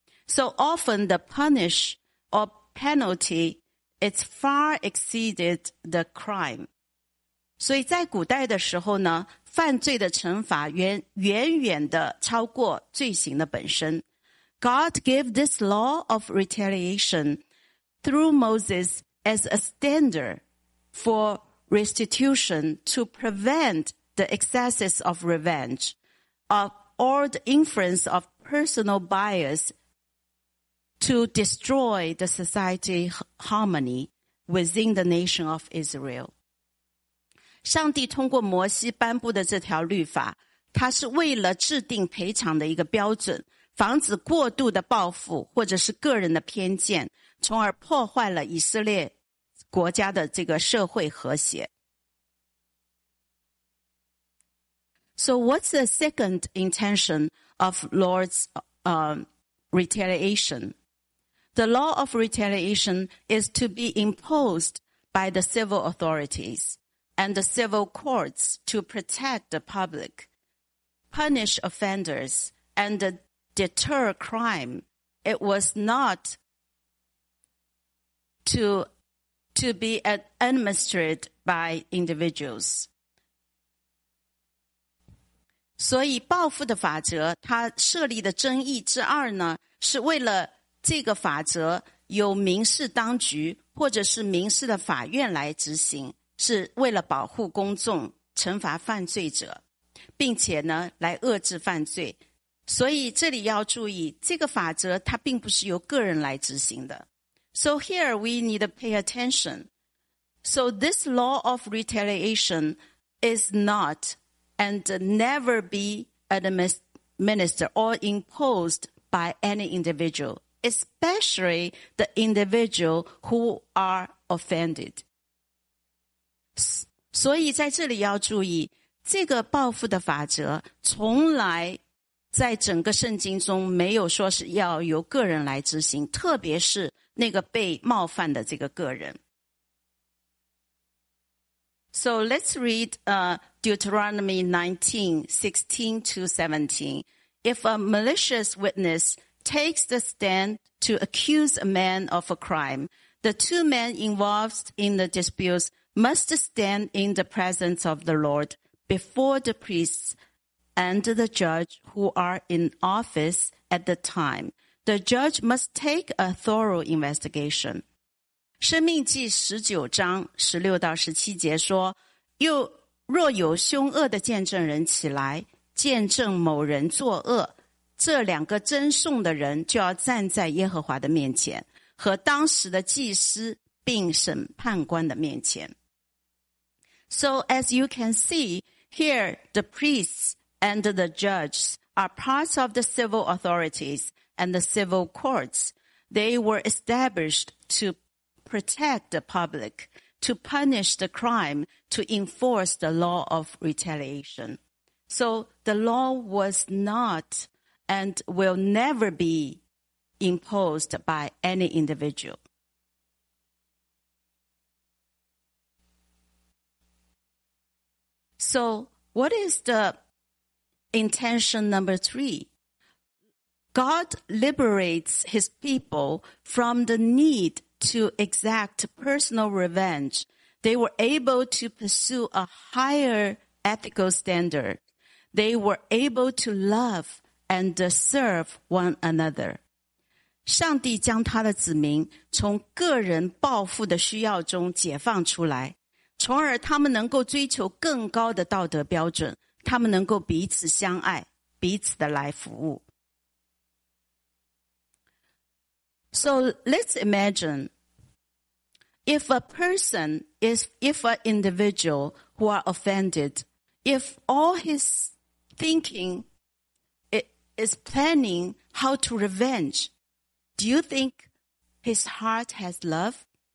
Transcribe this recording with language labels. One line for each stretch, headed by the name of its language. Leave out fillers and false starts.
English: So often the punish or penalty, it's far exceeded the crime.
Chinese: 所以在古代的时候呢，犯罪的惩罚远远的超过罪行的本身。
English: God gave this law of retaliation through Moses as a standard for restitution to prevent the excesses of revenge or the inference of personal bias to destroy the society harmony within the nation of Israel.
Chinese: 上帝通过摩西颁布的这条律法，它是为了制定赔偿的一个标准，防止过度的报复或者是个人的偏见，从而破坏了以色列国家的这个社会和谐。
English: So what's the second intention of Lord's retaliation? The law of retaliation is to be imposed by the civil authorities and the civil courts to protect the public, punish offenders, and deter crime. It was not to be administered by individuals.
Chinese: 所以报复的法则它设立的争议之二呢，是为了这个法则由民事当局或者是民事的法院来执行，是为了保护公众，惩罚犯罪者，并且呢来遏制犯罪。所以这里要注意，这个法则它并不是由个人来执行的。
English: So here we need to pay attention. So this law of retaliation is not and never be administered or imposed by any individual, especially the individual who are offended.
Chinese: 所以在这里要注意，这个报复的法则从来在整个圣经中没有说是要由个人来执行，特别是那个被冒犯的这个个人。
English: So let's read Deuteronomy 19:16-17. If a malicious witness takes the stand to accuse a man of a crime, the two men involved in the disputes must stand in the presence of the Lord before the priests and the judge who are in office at the time. The judge must take a thorough investigation.
Chinese: 申命记19:16-17说，又若有凶恶的见证人起来，见证某人作恶，这两个争讼的人就要站在耶和华的面前，和当时的祭司并审判官的面前。
English: So as you can see, here the priests and the judges are parts of the civil authorities and the civil courts. They were established to protect the public, to punish the crime, to enforce the law of retaliation. So the law was not and will never be imposed by any individual. So what is the intention number three? God liberates his people from the need to exact personal revenge. They were able to pursue a higher ethical standard. They were able to love and serve one another.
Chinese: 上帝将他的子民从个人报复的需要中解放出来，从而他们能够追求更高的道德标准，他们能够彼此相爱，彼此的来服务。
English: So let's imagine if an individual who are offended, if all his thinking is planning how to revenge, do you think his heart has love?